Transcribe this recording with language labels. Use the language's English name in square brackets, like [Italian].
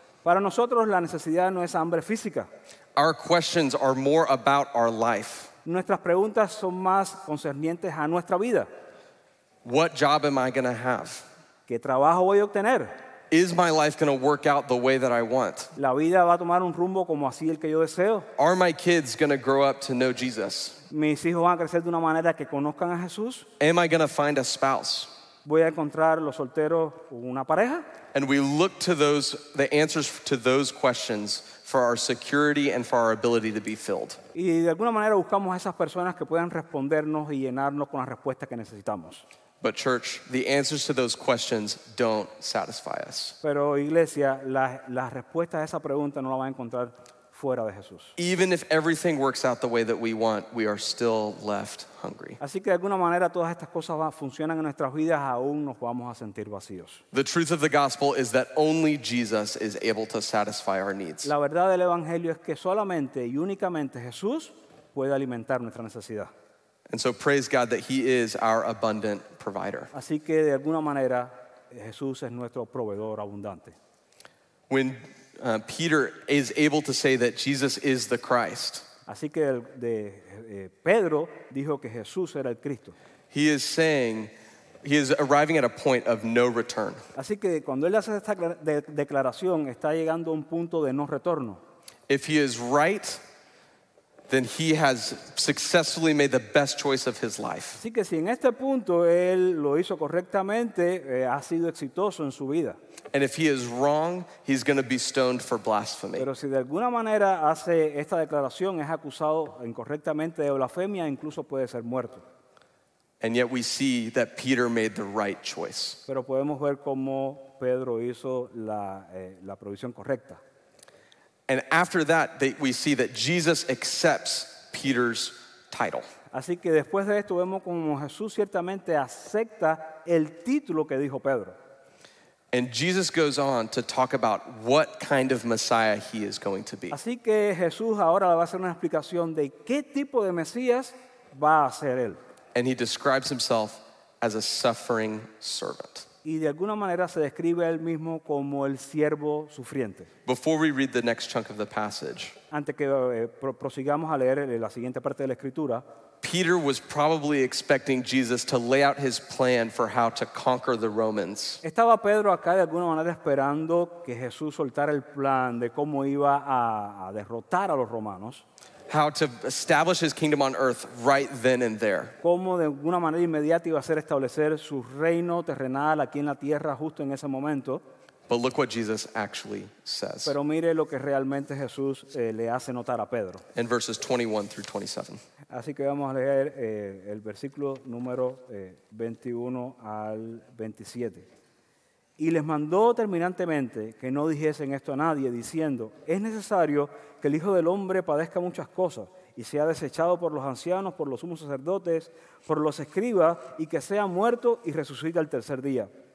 [Spanish] Para nosotros la necesidad no es hambre física. [English] Our questions are more about our life. [Spanish] Nuestras preguntas son más concernientes a nuestra vida. [English] What job am I going to have? [Spanish] ¿Qué trabajo voy a obtener? [English] Is my life going to work out the way that I want? [Spanish] La vida va a tomar un rumbo como así el que yo deseo. [English] Are my kids going to grow up to know Jesus? [Spanish] Mis hijos van a crecer de una manera que conozcan a Jesús. [English] Am I going to find a spouse? [Spanish] Voy a encontrar los solteros una pareja. [English] And we look to the answers to those questions for our security and for our ability to be filled. [Spanish] Y de alguna manera buscamos a esas personas que puedan respondernos y llenarnos con la respuesta que necesitamos. [English] But church, the answers to those questions don't satisfy us. [Spanish] Pero iglesia, la respuesta a esa pregunta no la va a encontrar fuera de Jesús. [English] Even if everything works out the way that we want, we are still left hungry. [Spanish] Así que de alguna manera todas estas cosas funcionan en nuestras vidas, aún nos vamos a sentir vacíos. [English] The truth of the gospel is that only Jesus is able to satisfy our needs. [Spanish] La verdad del evangelio es que solamente y únicamente Jesús puede alimentar nuestra necesidad. [English] And so praise God that he is our abundant provider. provider. [Spanish] Así que de alguna manera Jesús es nuestro proveedor abundante. [English] When Peter is able to say that Jesus is the Christ. [Spanish] Así que Pedro dijo que Jesús era el Cristo. [English] He is saying, he is arriving at a point of no return. [Spanish] Así que cuando él hace esta declaración, está llegando a un punto de no retorno. [English] If he is right, then he has successfully made the best choice of his life. [Spanish] Así que si en este punto él lo hizo correctamente, ha sido exitoso en su vida. [English] And if he is wrong, he's going to be stoned for blasphemy. [Spanish] Pero si de alguna manera hace esta declaración, es acusado incorrectamente de blasfemia, incluso puede ser muerto. [English] And yet we see that Peter made the right choice. [Spanish] Pero podemos ver cómo Pedro hizo la provisión correcta. [English] And after that, we see that Jesus accepts Peter's title. [Spanish] Así que después de esto vemos cómo Jesús ciertamente acepta el título que dijo Pedro. [English] And Jesus goes on to talk about what kind of Messiah he is going to be. [Spanish] Así que Jesús ahora va a hacer una explicación de qué tipo de Mesías va a ser él. [English] And he describes himself as a suffering servant. [Spanish] Y de alguna manera se describe él mismo como el siervo sufriente. [English] Before we read the next chunk of the passage, [Spanish] antes que prosigamos a leer la siguiente parte de la escritura, [English] Peter was probably expecting Jesus to lay out his plan for how to conquer the Romans. [Spanish] Estaba Pedro acá de alguna manera esperando que Jesús soltara el plan de cómo iba a derrotar a los romanos. [English] How to establish his kingdom on earth right then and there. [Spanish] Cómo de alguna manera inmediata iba a ser establecer su reino terrenal aquí en la tierra justo en ese momento. [English] But look what Jesus actually says. [Spanish] Pero mire lo que realmente Jesús le hace notar a Pedro. [English] In verses 21 through 27. [Spanish] Así que vamos a leer el versículo número 21 al 27. Y les mandó terminantemente que no dijesen esto a nadie, diciendo, es necesario que el Hijo del Hombre padezca muchas cosas y sea desechado por los ancianos, por los sumos sacerdotes, por los escribas, y que sea muerto y resucite al tercer día.